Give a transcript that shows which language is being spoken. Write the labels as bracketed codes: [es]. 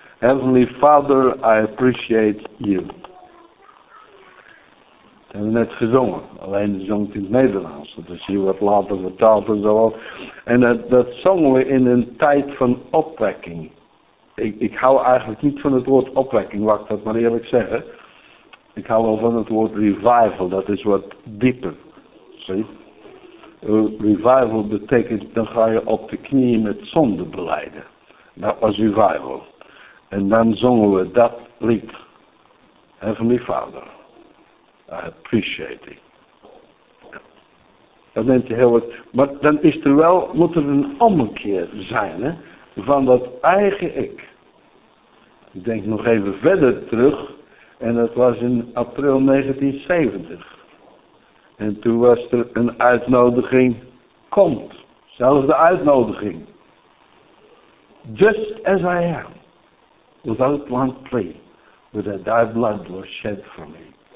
[en] Heavenly Father, I appreciate you. [nl] Dat hebben we net gezongen. Alleen zong het in het Nederlands. Dat is hier wat later vertaald en zo. En dat zongen we in een tijd van opwekking. Ik hou eigenlijk niet van het woord opwekking, laat ik dat maar eerlijk zeggen. Ik hou wel van het woord revival. Dat is wat dieper. Zie je? Revival betekent, dan ga je op de knieën met zonde beleiden. Dat was revival. En dan zongen we dat lied. [en] Heavenly Father, I appreciate it. [nl] Dan denk je heel wat. Maar dan is er wel, moet er een ommekeer zijn, hè? Van dat eigen ik. Ik denk nog even verder terug. En dat was in april 1970. En toen was er een uitnodiging, komt. Zelfs de uitnodiging. [en] Just as I am, without one plea, but that thy blood was shed for me.